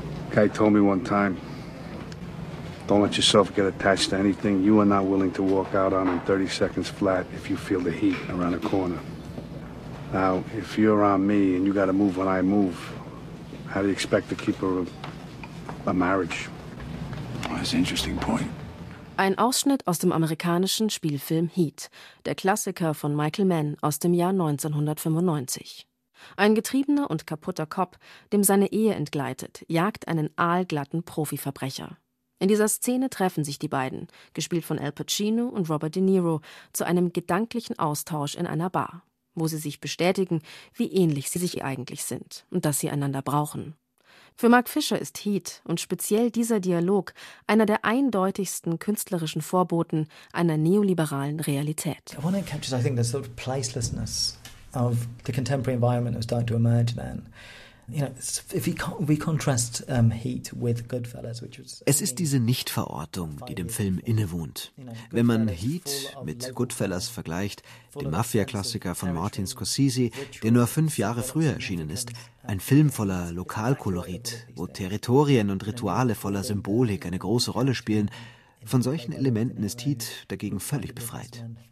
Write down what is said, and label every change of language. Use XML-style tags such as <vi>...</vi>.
<en>Guy told me one time, don't let yourself get attached to anything you are not willing to walk out on in 30 seconds flat if you feel the heat around a corner. Now, if you're on me and you got to move when I move, how do you expect to keep a marriage? Well, that's an interesting point.</en> <de>Ein Ausschnitt aus dem amerikanischen Spielfilm Heat, der Klassiker von Michael Mann aus dem Jahr 1995. Ein getriebener und kaputter Cop, dem seine Ehe entgleitet, jagt einen aalglatten Profiverbrecher. In dieser Szene treffen sich die beiden, gespielt von Al Pacino und Robert De Niro, zu einem gedanklichen Austausch in einer Bar, wo sie sich bestätigen, wie ähnlich sie sich eigentlich sind und dass sie einander brauchen. Für Mark Fisher ist Heat und speziell dieser Dialog einer der eindeutigsten künstlerischen Vorboten einer neoliberalen Realität.</de> <en>I want to capture, I think, the sort of placelessness of the contemporary environment that's starting to emerge then.</en> <de>Es ist diese Nichtverortung, die dem Film innewohnt. Wenn man Heat mit Goodfellas vergleicht, dem Mafia-Klassiker von Martin Scorsese, der nur 5 Jahre früher erschienen ist, ein Film voller Lokalkolorit, wo Territorien und Rituale voller Symbolik eine große Rolle spielen, von solchen Elementen ist Heat dagegen völlig befreit.</de>